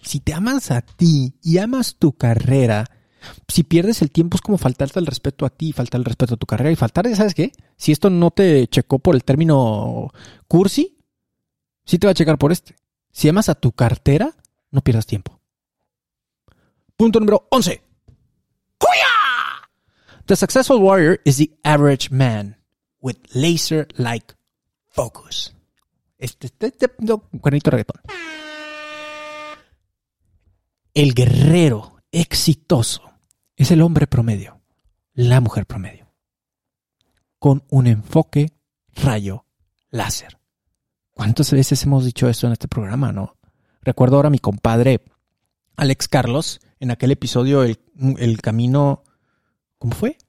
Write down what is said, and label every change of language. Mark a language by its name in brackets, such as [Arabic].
[Spanish] Si te amas a ti y amas tu carrera, si pierdes el tiempo es como faltarte el respeto a ti, faltar el respeto a tu carrera y faltar, ¿sabes qué? Si esto no te checó por el término cursi, sí te va a checar por este. Si amas a tu cartera, no pierdas tiempo. Punto número 11. ¡Huya! [English] The successful warrior is the average man with laser-like focus. [Spanish] Este un cuernito de reggaetón. El guerrero exitoso es el hombre promedio, la mujer promedio, con un enfoque rayo láser. ¿Cuántas veces hemos dicho esto en este programa, no? Recuerdo ahora a mi compadre Alex Carlos, en aquel episodio, el camino, ¿cómo fue?